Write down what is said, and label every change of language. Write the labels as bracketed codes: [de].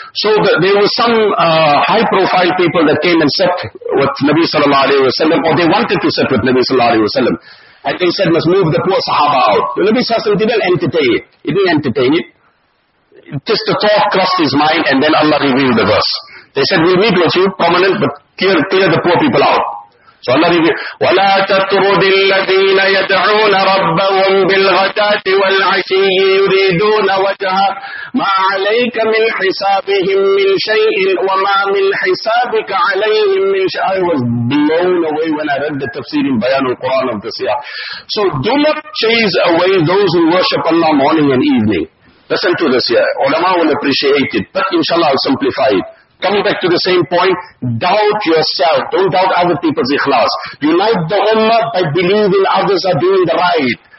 [en] So there were some high profile people that came and sat with Nabi Sallallahu Alaihi Wasallam, or they wanted to sit with Nabi Sallallahu Alaihi Wasallam. And they said, must move the poor Sahaba out. The Nabi Sallallahu Alaihi Wasallam didn't entertain it. He didn't entertain it. Just the thought crossed his mind, and then Allah revealed the verse. They said, we'll meet with you, prominent, but clear the poor people out. [ar] So Allah revealed, وَلَا تَطْرُدِ الَّذِينَ يَدْعُونَ رَبَّهُمْ بِالْغَدَاةِ وَالْعَشِيِّ يُرِيدُونَ وَجْهَهُ مَا عَلَيْكَ مِنْ حِسَابِهِمْ مِنْ شَيْءٍ وَمَا مِنْ حِسَابِكَ عَلَيْهِمْ مِنْ شَيْءٍ. [en] I was blown away when I read the tafsir in Bayan al-Quran of this year. So do not chase away those who worship Allah morning and evening. Listen to this here. Ulama will appreciate it, but inshallah I'll simplify it. Coming back to the same point, doubt yourself. Don't doubt other people's ikhlas. Unite the ummah by believing others are doing the right.